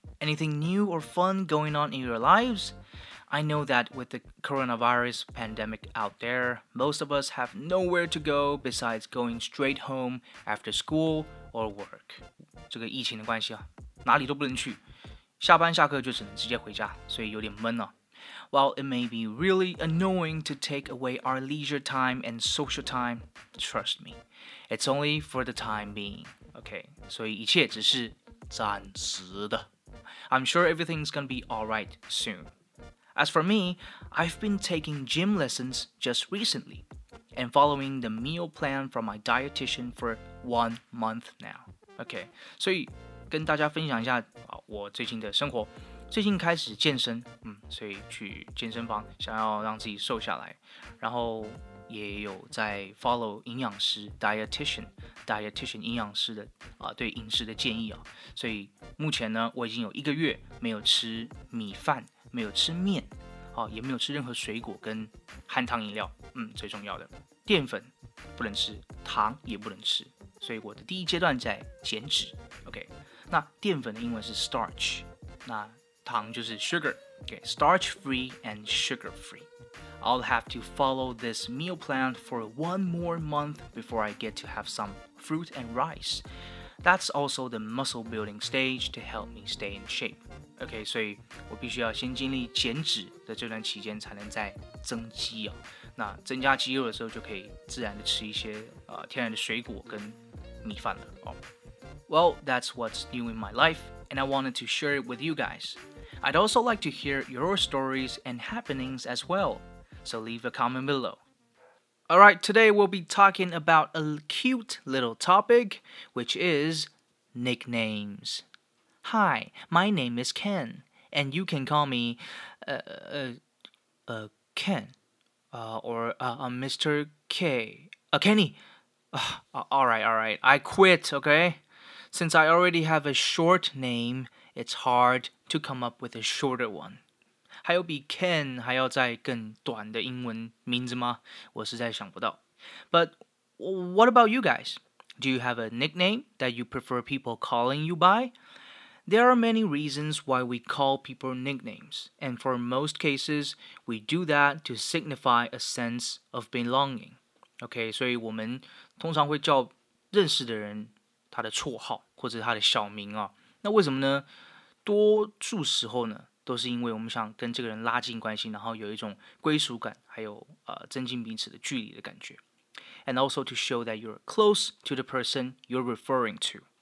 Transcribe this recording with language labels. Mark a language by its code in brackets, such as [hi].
[en] Anything new or fun going on in your lives? I know that with the coronavirus pandemic out there, most of us have nowhere to go besides going straight home after school or work. [zh] 这个疫情的关系啊。哪里都不能去，下班下课就只能直接回家，所以有点闷啊。 [en] While it may be really annoying to take away our leisure time and social time, trust me, it's only for the time being. [zh] Okay, 所以一切只是暂时的。 [en] I'm sure everything's gonna be alright soon. As for me, I've been taking gym lessons just recently and following the meal plan from my dietitian for 1 month now. [zh] Okay, 所以跟大家分享一下我最近的生活，最近开始健身，所以去健身房想要让自己瘦下来，然后也有在 follow 营养师 dietitian 营养师的对饮食的建议啊，所以目前呢我已经有一个月没有吃米饭，没有吃面，也没有吃任何水果跟含糖饮料，最重要的淀粉不能吃，糖也不能吃，所以我的第一阶段在减脂 OK。那淀粉的英文是 starch， 那糖就是 sugar， okay, [en] starch free and sugar free. I'll have to follow this meal plan for 1 more month before I get to have some fruit and rice. That's also the muscle building stage to help me stay in shape. [zh] Okay, 所以我必须要先经历减脂的这段期间才能再增肌啊。那增加肌肉的时候就可以自然的吃一些天然的水果跟米饭了哦。 [en] Well, that's what's new in my life, and I wanted to share it with you guys. I'd also like to hear your stories and happenings as well, so leave a comment below. Alright, today we'll be talking about a cute little topic, which is nicknames. Hi, my name is Ken, and you can call me, Ken, Mr. K, Kenny. Alright, I quit, okay? Since I already have a short name, it's hard to come up with a shorter one. [zh] 还有比 Ken 还要再更短的英文名字吗？我实在想不到。 [en] But what about you guys? Do you have a nickname that you prefer people calling you by? There are many reasons why we call people nicknames, and for most cases, we do that to signify a sense of belonging. [zh] Okay, 所以我们通常会叫认识的人他的绰号或者他的小名啊，那为什么呢？多数时候呢，都是因为我们想跟这个人拉近关系，然后有一种归属感，还有增进彼此的距离的感觉。 [en] And also to show that you're close to the person you're referring to.